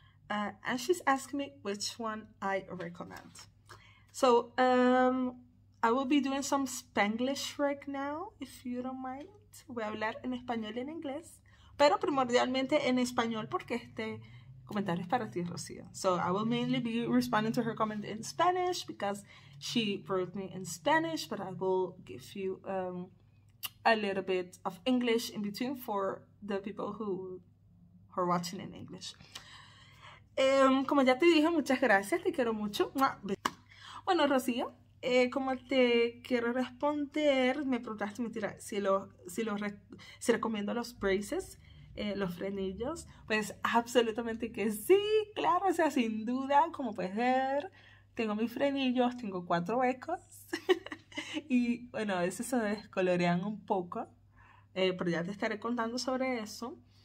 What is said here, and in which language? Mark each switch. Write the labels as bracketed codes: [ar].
[en] And she's asking me which one I recommend. So I will be doing some Spanglish right now, if you don't mind. [es] Voy a hablar en español y en inglés, pero primordialmente en español porque este comentario es para ti, Rocío. [en] So I will mainly be responding to her comment in Spanish because she wrote me in Spanish, but I will give you a little bit of English in between for the people who are watching in English. [es] Como ya te dije, muchas gracias, te quiero mucho. Bueno, Rocío, como te quiero responder, me preguntaste, mentira, si recomiendo los braces. Los frenillos, pues absolutamente que sí, claro, o sea, sin duda, como puedes ver, tengo mis frenillos, tengo cuatro huecos y bueno, a veces se descolorean un poco, pero ya te estaré contando sobre eso.